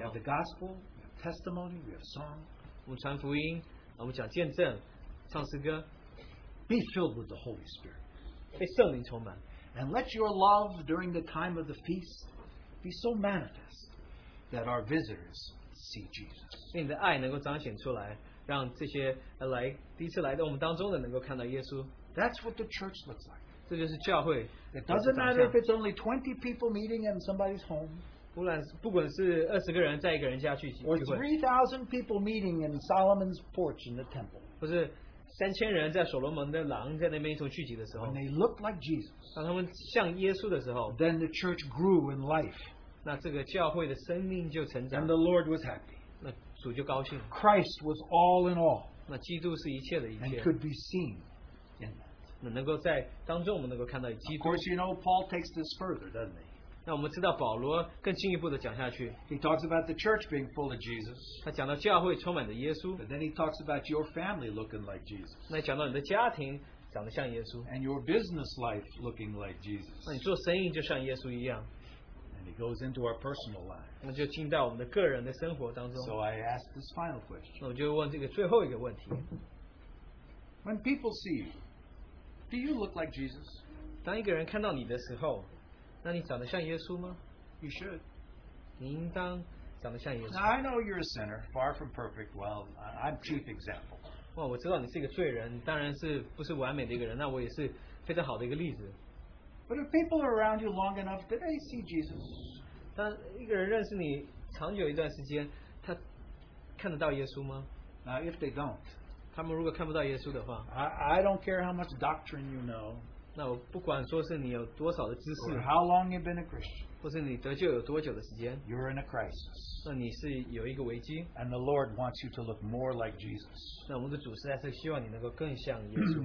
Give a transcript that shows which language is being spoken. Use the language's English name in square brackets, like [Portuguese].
[English] we have the gospel, we have testimony, we have song, [Chinese] 我们传福音，我们讲见证，唱诗歌, [English] be filled with the Holy Spirit, [Chinese] 被圣灵充满, [English] and let your love during the time of the feast be so manifest that our visitors see Jesus. [Chinese] 让这些第一次来到我们当中的能够看到耶稣。 [English] That's what the church looks like. [Chinese] 这就是教会。 [English] It doesn't matter if it's only 20 people meeting in somebody's home. [Chinese] 不管是20个人在一个人家聚集。 [English] Or 3,000 people meeting in Solomon's porch in the temple. [Chinese] 不是3,000人在所罗门的廊在那边一同聚集的时候。 [English] When they look like Jesus. [Chinese] 当他们像耶稣的时候。 [English] Then the church grew in life. [Chinese] 那这个教会的生命就成长。 [English] And the Lord was happy. [Chinese] 那主就高兴, [English] Christ was all in all. [Chinese] 那基督是一切的一切, [English] and could be seen in that. Of course, you know, Paul takes this further, doesn't he? He talks about the church being full of Jesus. [Chinese] 他讲到教会充满着耶稣, [English] but then he talks about your family looking like Jesus. [Chinese] 那讲到你的家庭长得像耶稣, [English] and your business life looking like Jesus. [Chinese] 那你做生意就像耶稣一样, [English] goes into our personal lives. So I ask this final question. When people see you, do you look like Jesus? [Chinese] 当一个人看到你的时候, 那你长得像耶稣吗? [English] You should. [Chinese] 你应当长得像耶稣。 [English] Now I know you're a sinner, far from perfect. Well, I'm chief example. [Chinese] 哇, 我知道你是一个罪人, 当然是不是完美的一个人, 那我也是非常好的一个例子。 [English] But if people are around you long enough, do they see Jesus? [Chinese] 当一个人认识你长久一段时间, 他看得到耶稣吗? [English] Now, if they don't, [Chinese] 他们如果看不到耶稣的话, [English] I don't care how much doctrine you know, [Chinese] 那我不管说是你有多少的知识, [English] or how long you've been a Christian, [Chinese] 或是你得救有多久的时间, [English] you're in a crisis. [Chinese] 那你是有一个危机, [English] and the Lord wants you to look more like Jesus. [Chinese] 那我们的主实在是希望你能够更像耶稣。